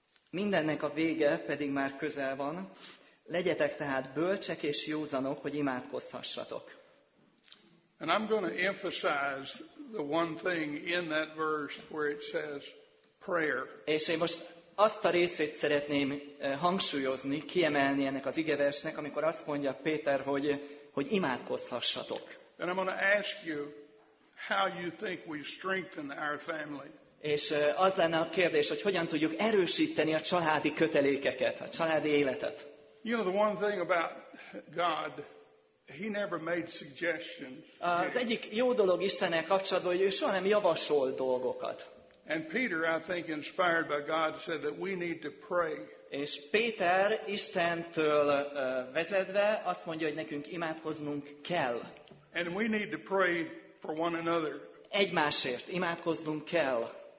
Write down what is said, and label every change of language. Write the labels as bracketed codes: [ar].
[hu] Mindennek a vége pedig már közel van. Legyetek tehát bölcsek és józanok, hogy imádkozhassatok. [en] And I'm going to emphasize the one thing in that verse where it says prayer. [hu] És én most azt a részét szeretném hangsúlyozni, kiemelni ennek az igeversnek, amikor azt mondja Péter, hogy imádkozhassatok. [en] And I'm going to ask you how you think we strengthen our family. [hu] És az lenne a kérdés, hogy hogyan tudjuk erősíteni a családi kötelékeket, a családi életet. [en] You know, the one thing about God, he never made suggestions. [hu] Az egyik jó dolog Istennel kapcsolatban, hogy ő soha nem javasol dolgokat. [en] And Peter, I think, inspired by God, said that we need to pray. [hu] És Péter Istentől vezetve azt mondja, hogy nekünk imádkoznunk kell. [en] And we need to pray for one another. [hu] Egymásért imádkoznunk kell.